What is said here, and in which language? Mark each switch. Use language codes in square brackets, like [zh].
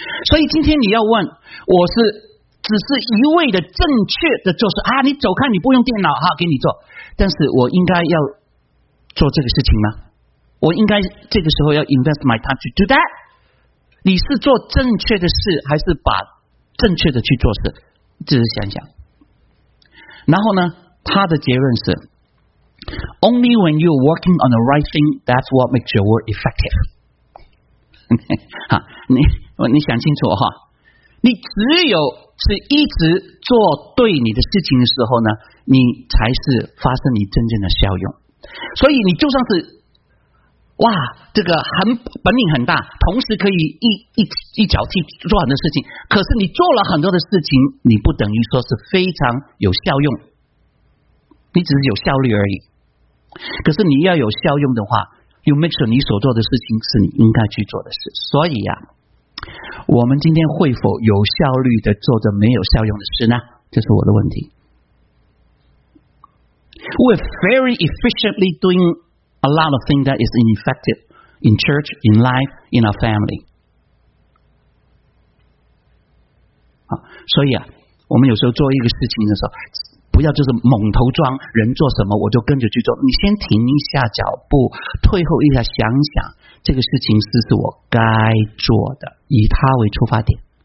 [zh] 所以今天你要问我是只是一味的正确的做事啊，你走开，你不用电脑哈，给你做，但是我应该要做这个事情吗？我应该这个时候要 invest my time to do that。你是做正确的事还是把正确的去做事，只是想想。 [en] 然后呢他的结论是 Only when you're working on the right thing that's what makes your work effective。 [zh] 你想清楚哈，你只有是一直做对你的事情的时候呢，你才是发生你真正的效用。所以你就算是哇这个很本领很大，同时可以 一脚踢做很多事情，可是你做了很多的事情，你不等于说是非常有效用，你只是有效率而已。可是你要有效用的话， you make sure 你所做的事情是你应该去做的事。所以啊，我们今天会否有效率的做着没有效用的事呢？这是我的问题。 [en] We're very efficiently doingA lot of things that is ineffective in church, in life, in our family. [zh] 所以啊，我们有时候做一个事情的时候，不要就是猛头撞，人做什么我就跟着去做。你先停一下脚步，退后一下，想想这个事情是不是我该做的，以它为出发点。